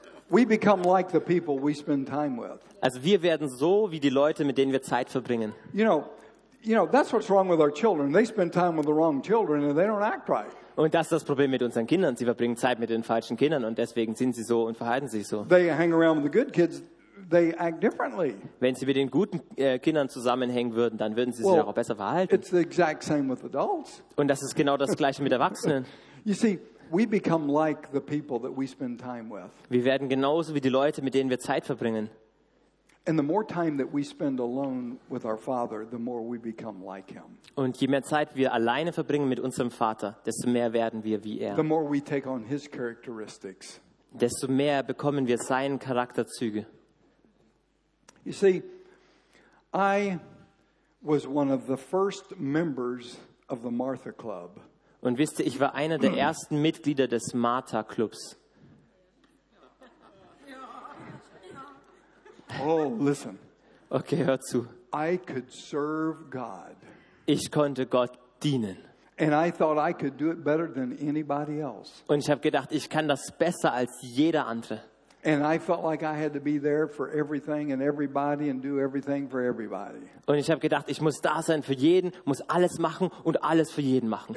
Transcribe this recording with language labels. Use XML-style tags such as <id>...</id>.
<en>We become like the people we spend time with.</en> <de>Also wir werden so wie die Leute, mit denen wir Zeit verbringen.</de> <en>You know, that's what's wrong with our children. They spend time with the wrong children and they don't act right.</en> <de>Und das ist das Problem mit unseren Kindern. Sie verbringen Zeit mit den falschen Kindern und deswegen sind sie so und verhalten sich so.</de> <en>They hang around with the good kids, they act differently.</en> <de>Wenn sie mit den guten Kindern zusammenhängen würden, dann würden sie sich auch besser verhalten.</de> <en>It's the exact same with adults.</en> <de>Und das ist genau das gleiche mit Erwachsenen.</de> <en>You see, we become like the people that we spend time with.</en> <de>Wir werden genauso wie die Leute, mit denen wir Zeit verbringen.</de> <en>And the more time that we spend alone with our Father, the more we become like him.</en> <de>Und je mehr Zeit wir alleine verbringen mit unserem Vater, desto mehr werden wir wie er.</de> <en>The more we take on his characteristics.</en> <de>Desto mehr bekommen wir seinen Charakterzüge.</de> <en>You see, I was one of the first members of the Martha Club.</en> <de>Und wisst ihr, ich war einer der ersten Mitglieder des Martha-Clubs.</de> <en>Oh, listen.</en> <de>Okay, hör zu.</de> <en>I could serve God.</en> <de>Ich konnte Gott dienen.</de> <en>And I thought I could do it better than anybody else.</en> <de>Und ich habe gedacht, ich kann das besser als jeder andere.</de> <en>And I felt like I had to be there for everything and everybody and do everything for everybody.</en> <de>Und ich habe gedacht, ich muss da sein für jeden, muss alles machen und alles für jeden machen.</de>